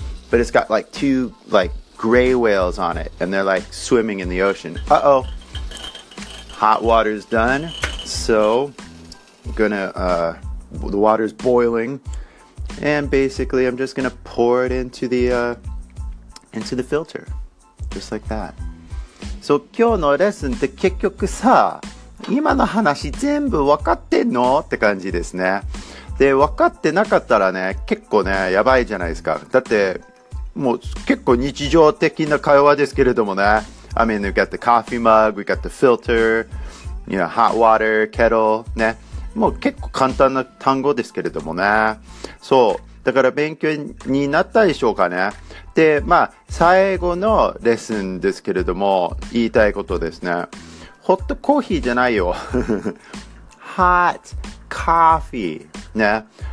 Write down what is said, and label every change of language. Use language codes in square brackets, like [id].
[en] But it's got like two like gray whales on it and they're like swimming in the ocean. Uh-oh, hot water's done, so. Gonna, the water's boiling, and basically I'm just gonna pour it into the filter, just like that. [ja] So, 今日のレッスンって結局さ、今の話全部分かってんの？って感じですね。で、分かってなかったらね、結構ね、やばいじゃないですか。だって、もう結構日常的な会話ですけれどもね。 [en] I mean, we got the coffee mug, we got the filter, you know, hot water, kettle, ね。 [ja] もう結構簡単な単語ですけれどもね。そう。だから勉強になったでしょうかね。で、まあ、最後のレッスンですけれども、言いたいことですね。ホットコーヒーじゃないよ。hot coffee ね。